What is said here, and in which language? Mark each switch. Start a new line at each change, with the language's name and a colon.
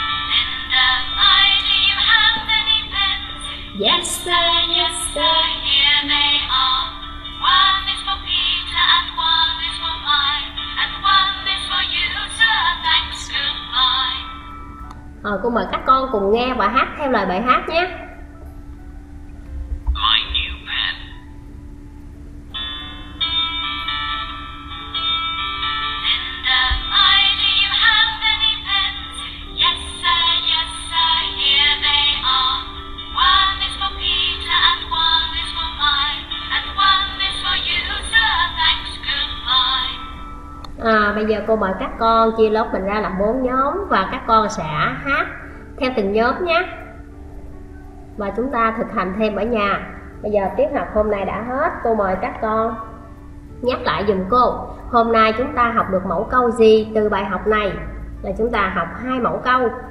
English: Linda, my, do you have any pens? Yes, sir, here they are. One is for Peter and one is for mine. And one is for you, sir, thanks, goodbye.
Vietnamese: Rồi, cô mời các con cùng nghe và hát theo lời bài hát nhé.
English: My new pen. Linda, my, do you have any pens? Yes, sir, here they are. One is for Peter and one is for mine. And one is for you, sir, thanks, goodbye.
Vietnamese: À, bây giờ cô mời các con chia lớp mình ra làm 4 nhóm và các con sẽ hát theo từng nhóm nhé. Và chúng ta thực hành thêm ở nhà. Bây giờ tiết học hôm nay đã hết, cô mời các con nhắc lại giùm cô. Hôm nay chúng ta học được mẫu câu gì từ bài học này? Là chúng ta học hai mẫu câu.